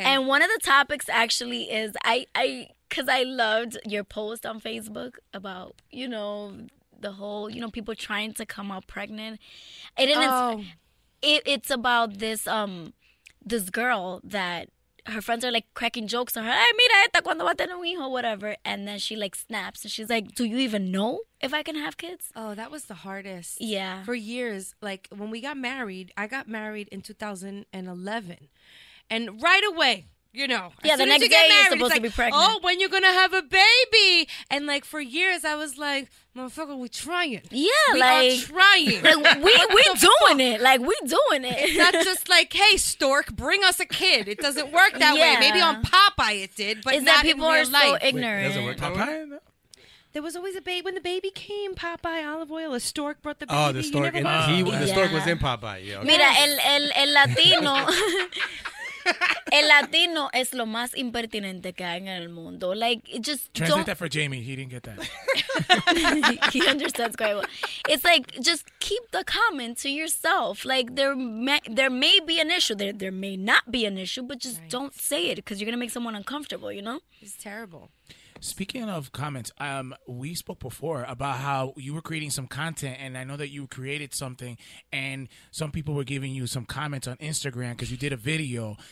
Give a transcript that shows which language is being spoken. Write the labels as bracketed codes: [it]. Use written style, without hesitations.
[en] And one of the topics actually is, I because I loved your post on Facebook about, you know, the whole, you know, people trying to come out pregnant. It's about this this girl that her friends are like cracking jokes on her. [es] Ay, mira esta cuando va a tener un hijo, whatever. [en] And then she like snaps and she's like, do you even know if I can have kids? Oh, that was the hardest. Yeah. For years, like when we got married, I got married in 2011. And right away, you know, yeah, the next day you're supposed to be pregnant. Oh, when you're gonna have a baby? And like for years, I was like, "Motherfucker, we trying." Yeah, we like are trying. We doing it. It's not just like, "Hey, stork, bring us a kid." It doesn't work that way. Maybe on Popeye it did, but is that people are so ignorant? Doesn't work Popeye though. There was always a baby. When the baby came, Popeye, olive oil, a stork brought the baby. Oh, the stork. The stork was in Popeye. Yeah, okay. [es] Mira, el latino. El latino es lo más impertinente que hay en el mundo. [en] Like, it just translate don't... that for Jamie. He didn't get that. He understands quite well. It's like, just keep the comment to yourself. Like, there may be an issue. There may not be an issue, but just don't say it because you're going to make someone uncomfortable, you know? It's terrible. Speaking of comments, we spoke before about how you were creating some content, and I know that you created something, and some people were giving you some comments on Instagram because you did a video.